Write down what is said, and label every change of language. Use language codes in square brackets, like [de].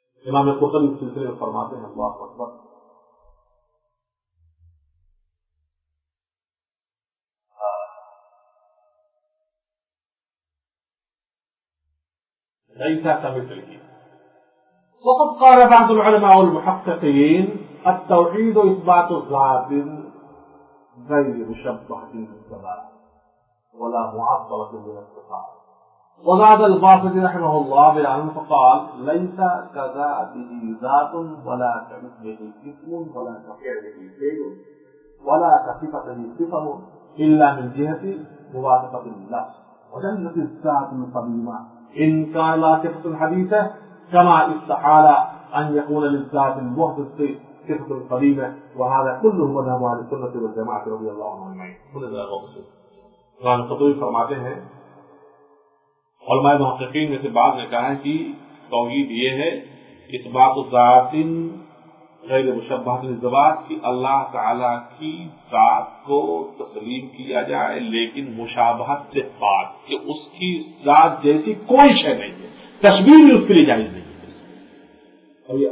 [ur] امام قطب اس سلسلے میں فرماتے ہیں اللہ اکبر, [ar] ليس كمثله. وقد قال بعض العلماء والمحققين التوحيد اثبات ذات غير مشبهة بالصفات ولا معطلة من الصفات. وزاد الباسطي رحمه الله بيان فقال ليس كذاته ذات ولا كمثله اسم ولا كفعله فعل ولا كصفته صفه الا من جهة موافقة النفس وجنة الذات القديمة ان كان لا صفة حديثة كما استحال ان يكون للذات المحدثة صفة قديمة وهذا كله مذهب اهل السنة والجماعة رضي الله عنهم اجمعين. من ذا المقصود؟ [ur] قال القطبي فرماتے ہیں علماء محققین میں سے بعض نے کہا ہے کہ توحید یہ ہے اثبات ذات غیر مشبہ للذات, کہ اللہ تعالی کی ذات کو تسلیم کیا جائے لیکن مشابہت سے پاک, کہ اس کی ذات جیسی کوئی شے نہیں ہے, تشبیہ بھی اس کے لیے جائز نہیں ہے.